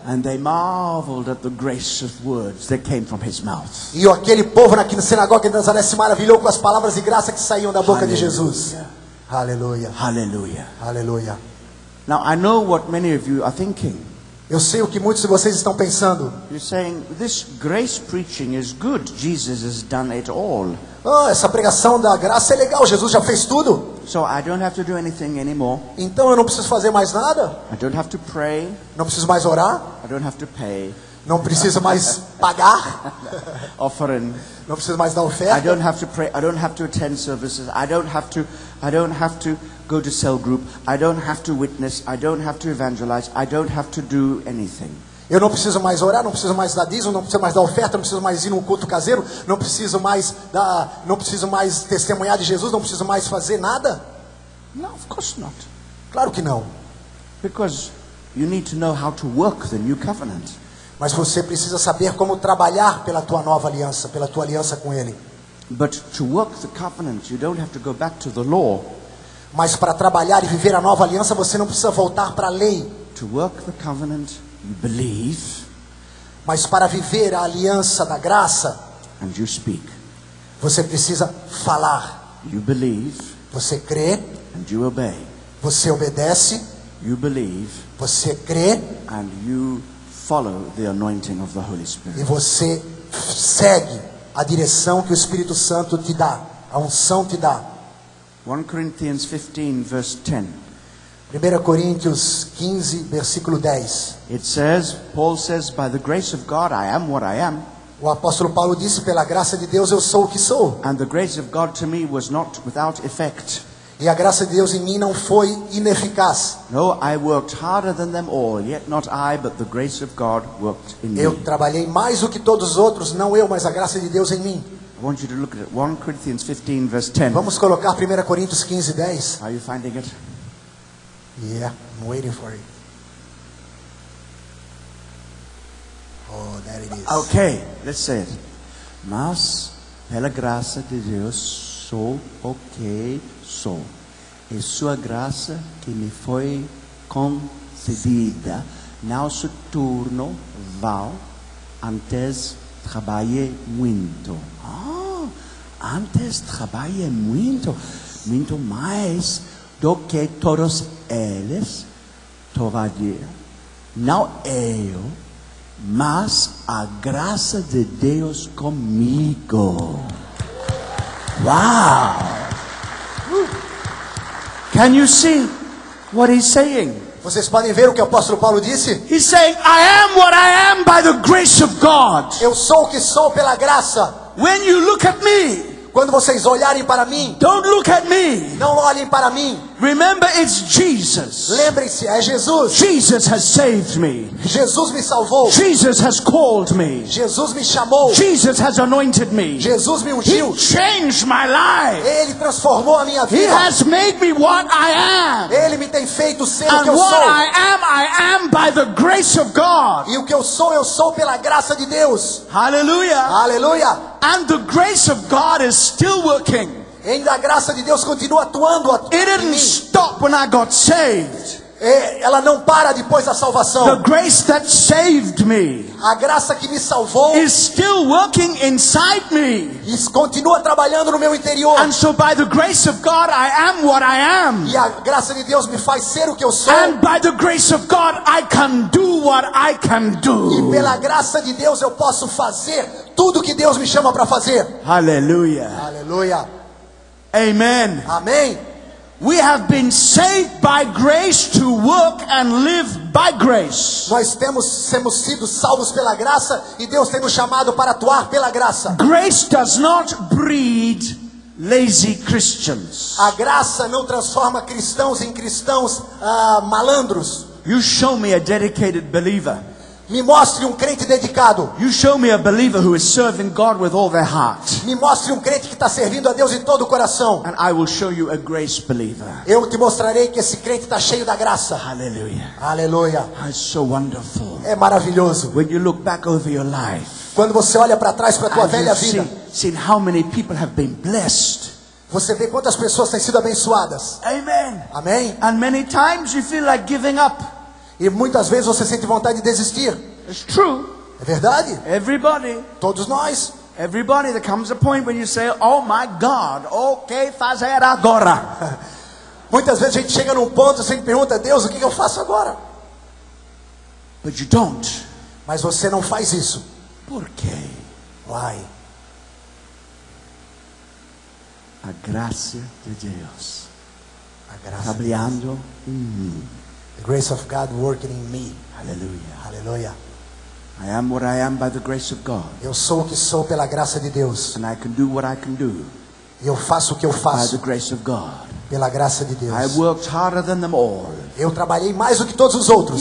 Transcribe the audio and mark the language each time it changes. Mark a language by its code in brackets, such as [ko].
[en] And they marveled at the gracious words that came from his mouth. [pt] E aquele povo aqui na sinagoga de Nazaré se maravilhou com as palavras de graça que saíam da boca Hallelujah. De Jesus. Aleluia. Aleluia. Aleluia. [en] Now I know what many of you are thinking. [pt] Eu sei o que muitos de vocês estão pensando. [en] You're saying this grace preaching is good. Jesus has done it all. [pt] Oh, essa pregação da graça é legal. Jesus já fez tudo. [en] So I don't have to do anything anymore. [pt] Então eu não preciso fazer mais nada. [en] I don't have to pray. [pt] Não preciso mais orar. [en] I don't have to pay. [pt] Não preciso mais pagar. [en] Offering. [pt] Não preciso mais dar oferta. [en] I don't have to pray. I don't have to attend services. I don't have to go to cell group. I don't have to witness. I don't have to evangelize. I don't have to do anything. [pt] Eu não preciso mais orar, não preciso mais dar dízimo, não preciso mais dar oferta, não preciso mais ir num culto caseiro, não preciso mais testemunhar de Jesus, não preciso mais fazer nada. [en] No, of course not. [pt] Claro que não. [en] Because you need to know how to work the new covenant. [pt] Mas você precisa saber como trabalhar pela tua nova aliança, pela tua aliança com ele. [en] But to work the covenant, you don't have to go back to the law. [pt] Mas para trabalhar e viver a nova aliança, você não precisa voltar para a lei. [en] To work the covenant, you believe. [pt] Mas para viver a aliança da graça, [en] and you speak. [pt] Você precisa falar. [en] You believe. [pt] Você crê. [en] And you obey. [pt] Você obedece. [en] You believe. [pt] Você crê. [en] And you follow the anointing of the Holy Spirit. [pt] E você segue a direção que o Espírito Santo te dá, a unção te dá. [en] 1 Corinthians 15, verse 10. [pt] 1 Coríntios 15, versículo 10. [en] It says, Paul says, by the grace of God I am what I am. [pt] O apóstolo Paulo disse, pela graça de Deus eu sou o que sou. [en] And the grace of God to me was not without effect. [pt] E a graça de Deus em mim não foi ineficaz. [en] No, I worked harder than them all, yet not I, but the grace of God worked in me. [pt] Eu trabalhei mais do que todos os outros, não eu, mas a graça de Deus em mim. [en] I want you to look at it. 1 Corinthians 15, verse 10. [pt] Vamos colocar 1 Coríntios 15, 10. [en] Are you finding it? Yeah, I'm waiting for it. Oh, there it is. Okay, let's say it. [pt] Mas, pela graça de Deus, sou o que sou. E sua graça que me foi concedida, não se tornou vão, antes trabalhei muito. Antes trabalhei muito, muito mais do que todos eles, todavia, não eu, mas a graça de Deus comigo. [en] Wow! Can you see what he's saying? [pt] Vocês podem ver o que o apóstolo Paulo disse? [en] He's saying, I am what I am by the grace of God. [pt] Eu sou o que sou pela graça. [en] When you look at me, [pt] quando vocês olharem para mim, [en] don't look at me. [pt] Não olhem para mim. [en] Remember, it's Jesus. [pt] Lembre-se, é Jesus. [en] Jesus has saved me. [pt] Jesus me salvou. [en] Jesus has called me. [pt] Jesus me chamou. [en] Jesus has anointed me. [pt] Jesus me ungiu. [en] He changed my life. [pt] Ele transformou a minha vida. [en] He has made me what I am. [pt] Ele me tem feito ser o que eu sou. [en] And what I am by the grace of God. [pt] E o que eu sou pela graça de Deus. [en] Hallelujah. Hallelujah. And the grace of God is still working. [pt] Ainda a graça de Deus continua atuando. [en] It didn't stop when I got saved. [pt] Ela não para depois da salvação. [en] The grace that saved me, [pt] a graça que me salvou, [en] is still working inside me. [pt] Isso continua trabalhando no meu interior. [en] And so by the grace of God, I am what I am. [pt] E a graça de Deus me faz ser o que eu sou. [en] And by the grace of God, I can do what I can do. [pt] E pela graça de Deus, eu posso fazer tudo que Deus me chama para fazer. Aleluia. Aleluia. [en] Amen. [pt] Amém. [en] We have been saved by grace to work and live by grace. [pt] Nós temos sido salvos pela graça e Deus tem nos chamado para atuar pela graça. [en] Grace does not breed lazy Christians. [pt] A graça não transforma cristãos em cristãos malandros. [en] You show me a dedicated believer. [pt] Me mostre crente dedicado. [en] You show me a believer who is serving God with all their heart. [pt] Me mostre crente que está servindo a Deus de todo o coração. [en] And I will show you a grace believer. [pt] Eu te mostrarei que esse crente está cheio da graça. [en] Hallelujah. Hallelujah. It's so wonderful. [pt] É maravilhoso. [en] When you look back over your life, [pt] quando você olha para trás para tua velha vida, [en] seen how many people have been blessed. [pt] Você vê quantas pessoas têm sido abençoadas. [en] Amen. [pt] Amém. [en] And many times you feel like giving up. [pt] E muitas vezes você sente vontade de desistir. [en] It's true. [pt] É verdade. [en] Everybody. [pt] Todos nós. [en] Everybody, there comes a point when you say, oh my God, [pt] o que fazer agora? Muitas vezes a gente chega num ponto e pergunta, Deus, o que eu faço agora? [en] But you don't. [pt] Mas você não faz isso. Por quê? [en] Why? [pt] A graça de Deus. A graça trabalhando em mim. [en] The grace of God working in me. Hallelujah. Hallelujah. I am what I am by the grace of God. [pt] Eu sou o que sou pela graça de Deus. [en] And I can do what I can do. [pt] Eu faço o que eu faço. [en] By the grace of God. [pt] Pela graça de Deus. [en] I worked harder than them all. [pt] Eu trabalhei mais do que todos os outros.